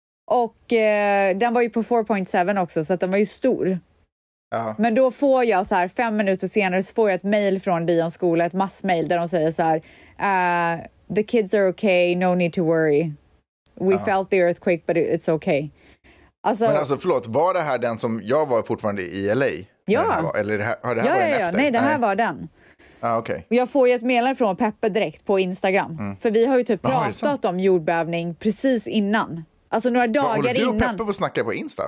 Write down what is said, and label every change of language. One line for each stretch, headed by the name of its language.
Swedish: Och den var ju på 4.7 också, så att den var ju stor. Men då får jag så här 5 minuter senare så får jag ett mail från Dions skola, ett massmail där de säger så här,
English: the kids are okay, no need to worry. We felt the earthquake, but it's okay.
Swedish: Alltså, men alltså, förlåt, var det här den som jag var fortfarande i LA? Ja. Eller har det här varit efter? Nej, det här var den. Ah, okay. Och jag får ju ett meddelande från Peppe direkt på Instagram. Mm. För vi har ju typ pratat om jordbävning precis innan. Alltså några dagar innan. Håller du och Peppe på att snacka på Insta?